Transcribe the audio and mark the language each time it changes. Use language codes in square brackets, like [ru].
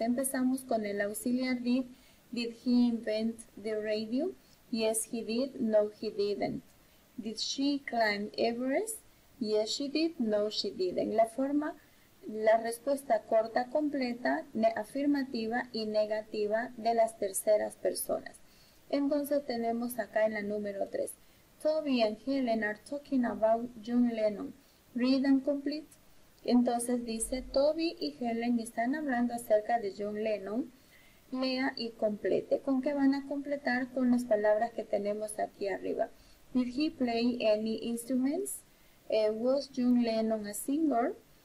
[es] Empezamos con el auxiliar [en] did. Did he invent the radio? Yes, he did. No, he didn't. Did she climb Everest? Yes, she did. No, she didn't. [es] La forma, la respuesta corta, completa, afirmativa y negativa de las terceras personas. Entonces tenemos acá en la número 3. [en] Toby and Helen are talking about John Lennon. Read and complete. [es] Entonces dice, Toby y Helen están hablando acerca de John Lennon. Lea y complete. ¿Con qué van a completar? Con las palabras que tenemos aquí arriba. [en] Did he play any instruments? Was John Lennon a singer?